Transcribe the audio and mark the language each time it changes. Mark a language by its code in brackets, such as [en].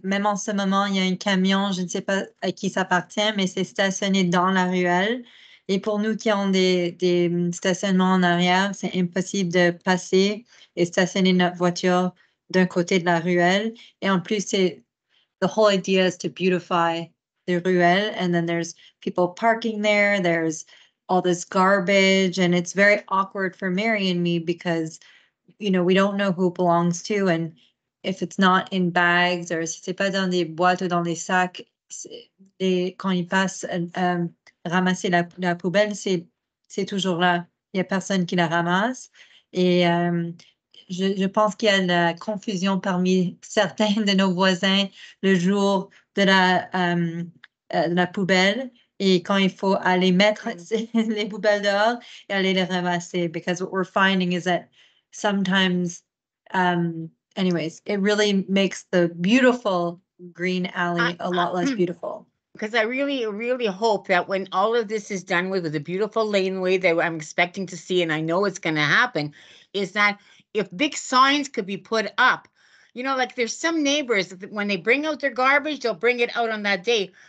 [fr] Même en ce moment, il y a un camion, je ne sais pas à qui ça appartient, mais c'est stationné dans la ruelle. Et pour nous qui avons des stationnements en arrière, c'est impossible de passer et stationner notre voiture d'un côté de la ruelle. Et en plus, c'est [en] the whole idea is to beautify the ruelle. And then there's people parking there, there's all this garbage. And it's very awkward for Mary and me because, you know, we don't know who belongs to. And if it's not in bags or [fr] si c'est pas dans des boîtes ou dans des sacs, et quand ils passent ramasser la poubelle, c'est toujours là. Il n'y a personne qui la ramasse. Et je pense qu'il y a la confusion parmi certains de nos voisins le jour de la poubelle et quand il faut aller mettre les poubelles dehors et aller les ramasser. [en] Because what we're finding is that sometimes... Anyways, it really makes the beautiful green alley a lot less beautiful. Because I really, really hope that when all of this is done with the beautiful laneway that I'm expecting to see, and I know it's going to happen, is that if big signs could be put up, you know, like there's some neighbors, when they bring out their garbage, they'll bring it out on that day.